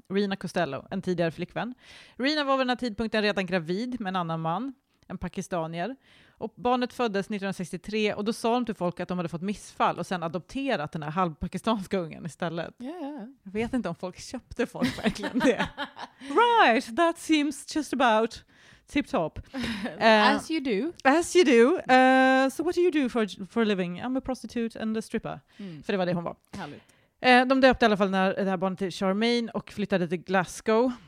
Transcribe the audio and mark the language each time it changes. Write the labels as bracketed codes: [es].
[sv] Rina Costello, en tidigare flickvän. Rina var vid den här tidpunkten redan gravid med en annan man, en pakistanier. Och barnet föddes 1963 och då sa de till folk att de hade fått missfall och sen adopterat den här halvpakistanska ungen istället. [en] Yeah. [sv] Jag vet inte om folk köpte folk verkligen det. [en] Right, that seems just about tip-top. As you do. As you do. So what do you do for a living? I'm a prostitute and a stripper. [sv] Mm. För det var det hon var. Härligt. De döpte i alla fall det här barnet till Charmaine och flyttade till Glasgow.